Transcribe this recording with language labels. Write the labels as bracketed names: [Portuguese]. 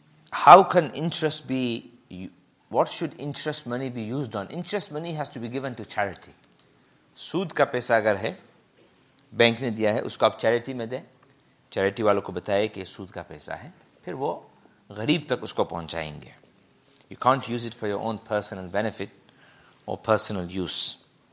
[English] How can interest be, what should interest money be used on? Interest money has to be given to charity. [Urdu] سود کا پیسہ اگر ہے، bank نے دیا ہے، اس کو آپ charity میں دیں۔ charity والوں کو بتائے کہ سود کا پیسہ ہے۔ پھر وہ غریب تک اس کو پہنچائیں گے۔ [English] You can't use it for your own personal benefit or personal use.